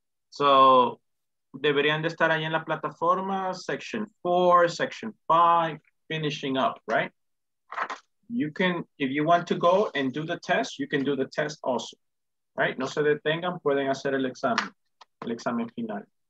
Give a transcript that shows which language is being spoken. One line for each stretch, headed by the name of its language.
English: So,
Spanish: deberían de estar ahí en la plataforma,
English: section 4, section 5, finishing up, right? You can, if you want to go and do the test, you can do the test also, right?
Spanish: No se detengan, pueden hacer el examen final.